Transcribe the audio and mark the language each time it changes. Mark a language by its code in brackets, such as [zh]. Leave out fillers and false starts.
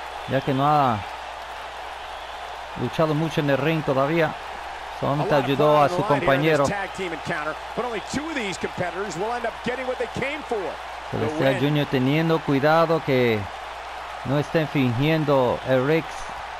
[es] Ya que no ha luchado mucho en el ring todavía. Solamente ayudó a su compañero. [en] Tag team encounter, but only two of these competitors will end up getting what they came for. Celestial Jr. [es] teniendo cuidado que no estén fingiendo el RIXX.